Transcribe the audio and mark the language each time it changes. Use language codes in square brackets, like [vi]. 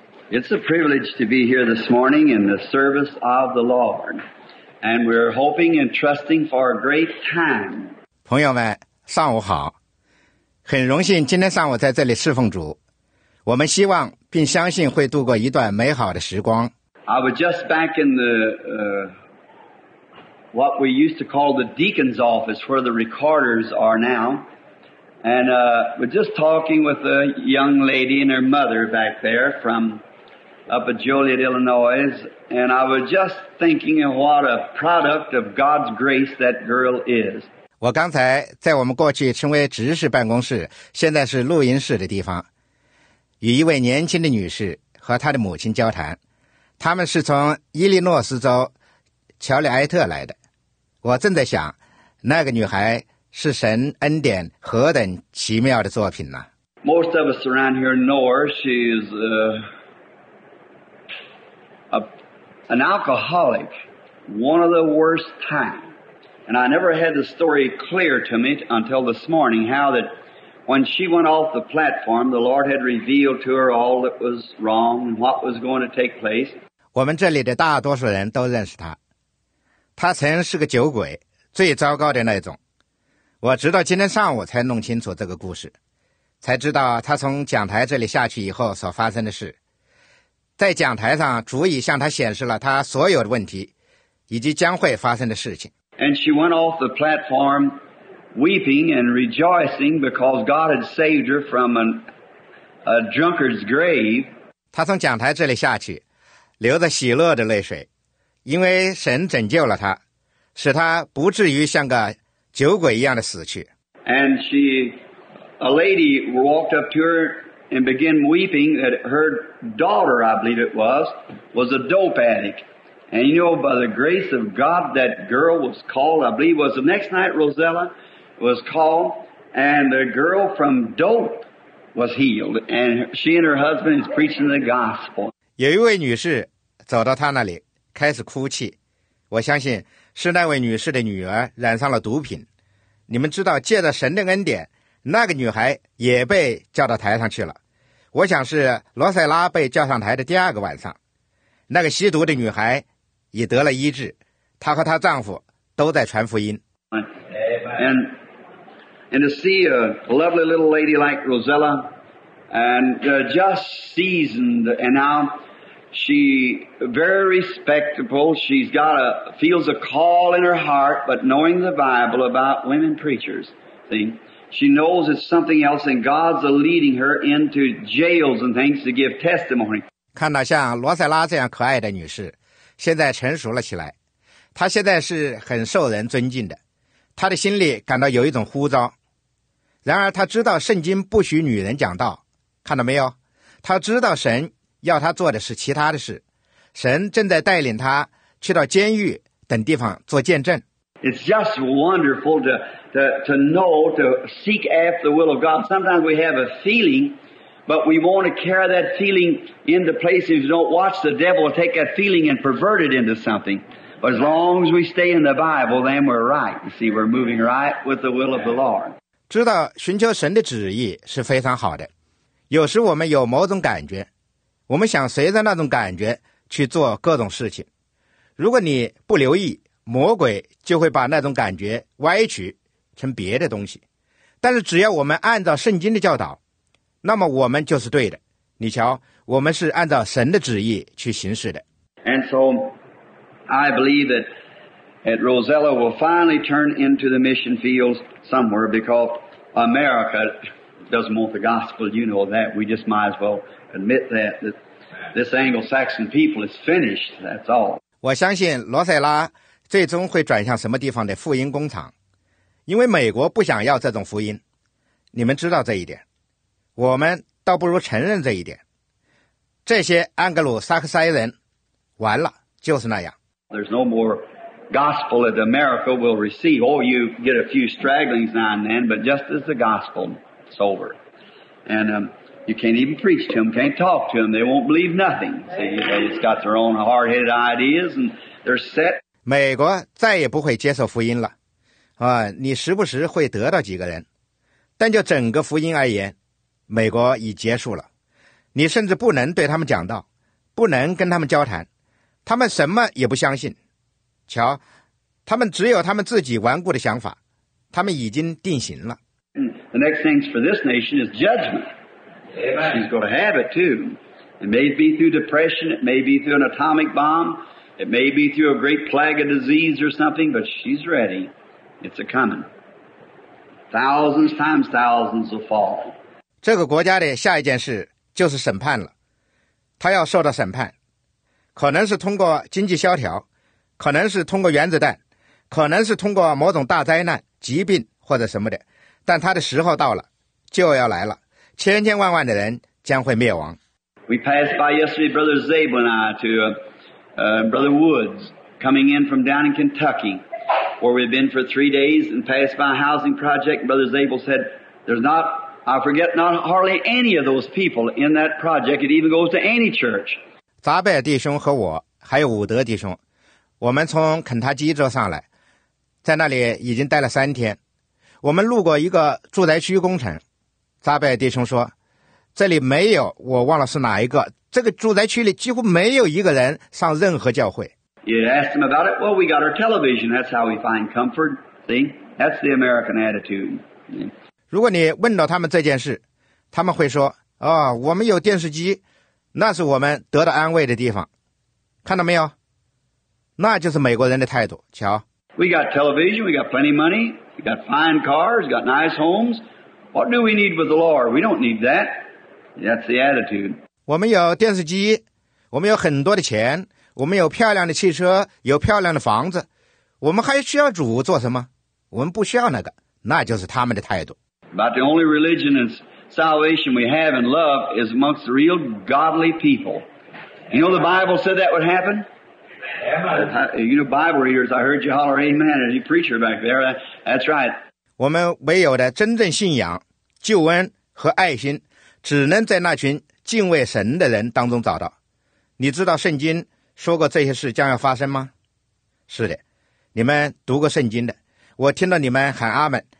[en] It's a privilege to be here this morning in the service of the Lord, and we're hoping and trusting for a great time. [zh] 朋友们，上午好，很荣幸今天上午在这里侍奉主。我们希望并相信会度过一段美好的时光。 [en] I was just back in the, what we used to call the deacon's office where the recorders are now, and, we're just talking with a young lady and her mother back there from up at Joliet, Illinois, and I was just thinking of what a product of God's grace that girl is. [zh] 我刚才在我们过去称为执事办公室，现在是录音室的地方。与一位年轻的女士和她的母亲交谈，他们是从伊利诺斯州乔里埃特来的。我正在想，那个女孩是神恩典何等奇妙的作品呢？ [en] Most of us around here know her. She is an alcoholic, one of the worst kind. And I never had the story clear to me until this morning how thatWhen she went off the platform, the Lord had revealed to her all that was wrong and what was going to take place. [zh] 我们这里的大多数人都认识她。她曾是个酒鬼，最糟糕的那种。我直到今天上午才弄清楚这个故事，才知道她从讲台这里下去以后所发生的事。在讲台上，主已向她显示了她所有的问题，以及将会发生的事情。 [en] And she went off the platform,weeping and rejoicing because God had saved her from a drunkard's grave. [zh] 他从讲台这里下去，流着喜乐的泪水，因为神拯救了他，使他不至于像个酒鬼一样的死去。 [en] And she, a lady walked up to her and began weeping that her daughter, I believe it was a dope addict. And you know, by the grace of God, that girl was called, I believe it was the next night, Rosella was called, and the girl from dope was healed, and she and her husband is preaching the gospel. [zh] 有一位女士走到她那里，开始哭泣。我相信是那位女士的女儿染上了毒品。你们知道，借着神的恩典，那个女孩也被叫到台上去了。我想是罗塞拉被叫上台的第二个晚上，那个吸毒的女孩也得了医治，她和她丈夫都在传福音。 [en] And to see a lovely little lady like Rosella, and just seasoned, and now she very respectable. She's got a feels a call in her heart, but knowing the Bible about women preachers, see, she knows it's something else, and God's leading her into jails and things to give testimony. [zh] 看到像罗塞拉这样可爱的女士。现在成熟了起来，他现在是很受人尊敬的，他的心里感到有一种呼召，然而他知道圣经不许女人讲道，看到没有，他知道神要他做的是其他的事，神正在带领他去到监狱等地方做见证。 [en] It's just wonderful to know to seek after the will of God. Sometimes we have a feelingBut we want to carry that feeling into place. If you don't watch, the devil will take that feeling and pervert it into something. But as long as we stay in the Bible, then we're right. You see, we're moving right with the will of the Lord. [zh] 知道寻求神的旨意是非常好的。有时我们有某种感觉，我们想随着那种感觉去做各种事情。如果你不留意，魔鬼就会把那种感觉歪曲成别的东西。但是只要我们按照圣经的教导，那么我们就是对的。你瞧，我们是按照神的旨意去行事的。 [en] And so, I believe that Rosella will finally turn into the mission fields somewhere because America doesn't want the gospel, you know that. We just might as well admit that, that this Anglo-Saxon people is finished, that's all. [zh] 我相信罗塞拉最终会转向什么地方的福音工厂，因为美国不想要这种福音，你们知道这一点，我们倒不如承认这一点。这些安格鲁萨克塞人完了，就是那样。 [en] There's no more gospel that America will receive. Oh, you get a few stragglings now and then, but just as the gospel, it's over. And you can't even preach to them, can't talk to them. They won't believe nothing. See, they just got their own hard-headed ideas and they're set. [zh] 美国再也不会接受福音了。你时不时会得到几个人，但就整个福音而言，美国已结束了。你甚至不能对他们讲道，不能跟他们交谈，他们什么也不相信。瞧，他们只有他们自己顽固的想法，他们已经定型了。 [en] The next thing for this nation is judgment. Amen. She's going to have it too. It may be through depression, it may be through an atomic bomb, it may be through a great plague of disease or something, but she's ready. It's a coming. Thousands times thousands will fall. [zh] 这个国家的下一件事就是审判了，他要受到审判，可能是通过经济萧条，可能是通过原子弹，可能是通过某种大灾难、疾病或者什么的，但他的时候到了，就要来了，千千万万的人将会灭亡。 [en] We passed by yesterday, Brother Zabel and I, to Brother Woods coming in from down in Kentucky, where we've been for 3 days, and passed by a housing project. Brother Zabel said, "There's not." I forget not hardly any of those people in that project. It even goes to any church. [zh] 扎贝尔弟兄和我还有伍德弟兄，我们从肯塔基州上来，在那里已经待了三天。我们路过一个住宅区工程，扎贝尔弟兄说，这里没有，我忘了是哪一个，这个住宅区里几乎没有一个人上任何教会。 [en] You asked him about it? Well, we got our television. That's how we find comfort. See? That's the American attitude. Yeah. [zh] 如果你问到他们这件事，他们会说，哦，我们有电视机，那是我们得到安慰的地方。看到没有？那就是美国人的态度。瞧。 [en] We got television, we got plenty of money, we got fine cars, we got nice homes. What do we need with the Lord? We don't need that. That's the attitude. [zh] 我们有电视机，我们有很多的钱，我们有漂亮的汽车，有漂亮的房子，我们还需要主做什么？我们不需要那个，那就是他们的态度。 [en] About the only religion and salvation we have in love is amongst real godly people. You know the Bible said that would happen? Amen. You know Bible readers, I heard you holler amen at your preacher back there. That's right. [zh] 我们唯有的真正信仰、救恩和爱心只能在那群敬畏神的人当中找到。你知道圣经说过这些事将要发生吗？是的，你们读过圣经的，我听到你们喊阿们。